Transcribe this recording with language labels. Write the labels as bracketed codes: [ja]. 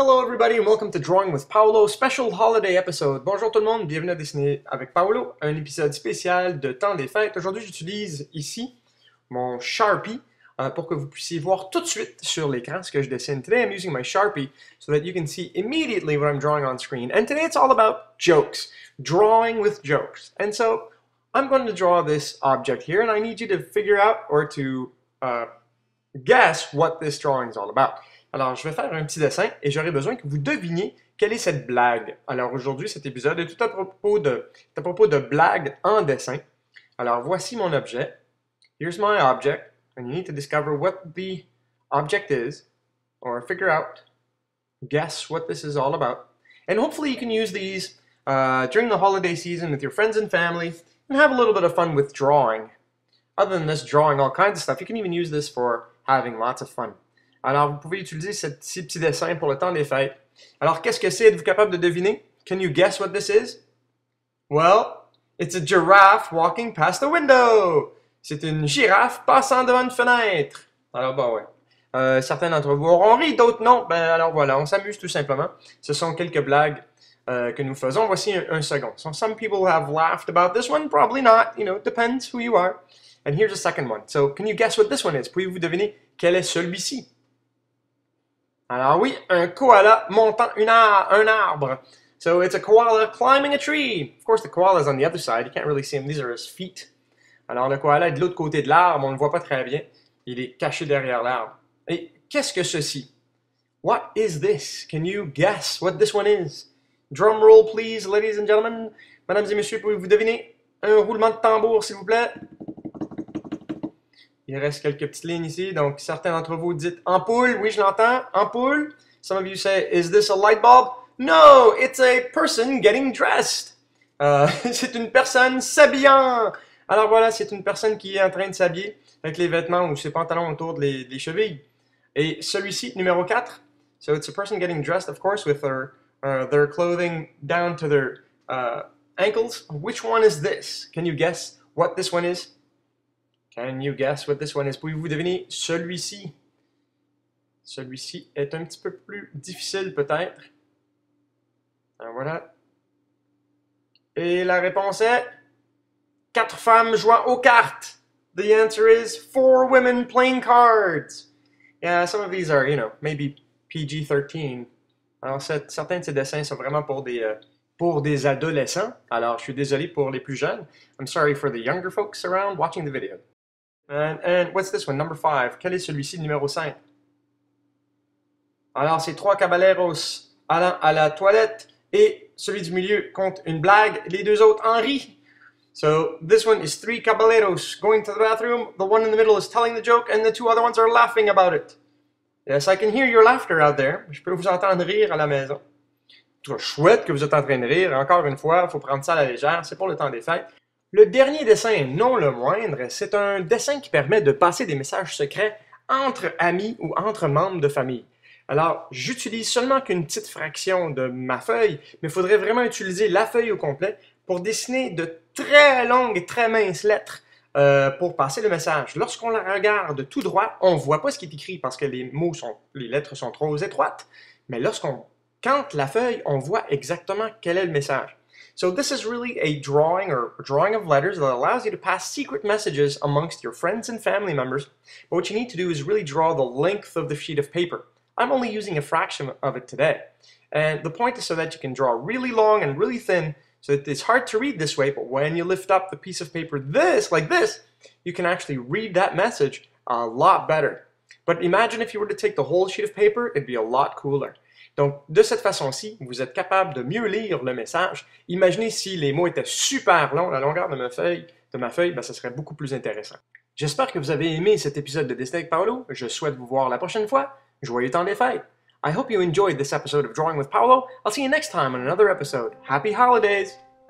[en] Everybody, and welcome to Drawing with Paolo, special holiday episode. [fr] Bonjour tout le monde, bienvenue à Dessiner avec Paolo, un épisode spécial de Temps des Fêtes. Aujourd'hui, j'utilise ici mon Sharpie pour que vous puissiez voir tout de suite sur l'écran ce que je dessine. [en] Today, I'm using my Sharpie so that you can see immediately what I'm drawing on screen. And today, it's all about jokes, drawing with jokes. And so, I'm going to draw this object here, and I need you to figure out or to guess what this drawing is all about. [fr] Alors, je vais faire un petit dessin et j'aurai besoin que vous deviniez quelle est cette blague. Alors, aujourd'hui, cet épisode est tout à propos de blagues en dessin. Alors, voici mon objet. [en] Here's my object. And you need to discover what the object is or figure out, guess what this is all about. And hopefully you can use these during the holiday season with your friends and family and have a little bit of fun with drawing. Other than this, drawing all kinds of stuff, you can even use this for having lots of fun. [fr] Alors, vous pouvez utiliser ce petit dessin pour le temps des fêtes. Alors, qu'est-ce que c'est? Êtes-vous capable de deviner? [en] Can you guess what this is? Well, it's a giraffe walking past the window. [fr] C'est une girafe passant devant une fenêtre. Alors, bah ouais. Certains d'entre vous auront ri, d'autres non. Ben, alors voilà, on s'amuse tout simplement. Ce sont quelques blagues que nous faisons. Voici un second. [en] So, some people have laughed about this one. Probably not. You know, it depends who you are. And here's a second one. So, can you guess what this one is? [fr] Pouvez-vous deviner quel est celui-ci? Alors oui, un koala montant un arbre. [en] So it's a koala climbing a tree. Of course, the koala is on the other side. You can't really see him. These are his feet. [fr] Alors le koala est de l'autre côté de l'arbre. On ne le voit pas très bien. Il est caché derrière l'arbre. Et qu'est-ce que ceci? [en] What is this? Can you guess what this one is? Drum roll, please, ladies and gentlemen. [fr] Mesdames et messieurs, pouvez-vous deviner? Un roulement de tambour, s'il vous plaît. Il reste quelques petites lignes ici, donc certains d'entre vous dites « ampoule », oui je l'entends, « ampoule ». [en] Some of you say « is this a light bulb ?» No, it's a person getting dressed. [fr] C'est une personne s'habillant. Alors voilà, c'est une personne qui est en train de s'habiller avec les vêtements ou ses pantalons autour des chevilles. Et celui-ci, numéro 4, [en] so it's a person getting dressed, of course, with their clothing down to their ankles. Which one is this? Can you guess what this one is? Can you guess what this one is? [fr] Pouvez-vous deviner celui-ci? Celui-ci est un petit peu plus difficile, peut-être. Alors, voilà. Et la réponse est... Quatre femmes jouant aux cartes! [en] The answer is... Four women playing cards! Yeah, some of these are, you know, maybe PG-13. [fr] Alors, certains de ces dessins sont vraiment pour des adolescents. Alors, je suis désolé pour les plus jeunes. [en] I'm sorry for the younger folks around watching the video. And what's this one? Number 5. [fr] Quel est celui-ci, numéro 5? Alors, c'est trois caballeros allant à la toilette et celui du milieu compte une blague. Les deux autres en rient. [en] So, this one is three caballeros going to the bathroom. The one in the middle is telling the joke and the two other ones are laughing about it. Yes, I can hear your laughter out there. [fr] Je peux vous entendre rire à la maison. C'est chouette que vous êtes en train de rire. Encore une fois, il faut prendre ça à la légère. C'est pour le temps des fêtes. Le dernier dessin, non le moindre, c'est un dessin qui permet de passer des messages secrets entre amis ou entre membres de famille. Alors, j'utilise seulement qu'une petite fraction de ma feuille, mais il faudrait vraiment utiliser la feuille au complet pour dessiner de très longues et très minces lettres pour passer le message. Lorsqu'on la regarde tout droit, on ne voit pas ce qui est écrit parce que les lettres sont trop étroites, mais lorsqu'on cante la feuille, on voit exactement quel est le message. [en] So this is really a drawing or drawing of letters that allows you to pass secret messages amongst your friends and family members. But what you need to do is really draw the length of the sheet of paper. I'm only using a fraction of it today. And the point is so that you can draw really long and really thin so that it's hard to read this way. But when you lift up the piece of paper like this, you can actually read that message a lot better. But imagine if you were to take the whole sheet of paper, it'd be a lot cooler. [fr] Donc, de cette façon-ci, vous êtes capable de mieux lire le message. Imaginez si les mots étaient super longs, la longueur de ma feuille, ben, ça serait beaucoup plus intéressant. J'espère que vous avez aimé cet épisode de Dessiner avec Paolo. Je souhaite vous voir la prochaine fois. Joyeux temps des fêtes! [en] I hope you enjoyed this episode of Drawing with Paolo. I'll see you next time on another episode. Happy Holidays!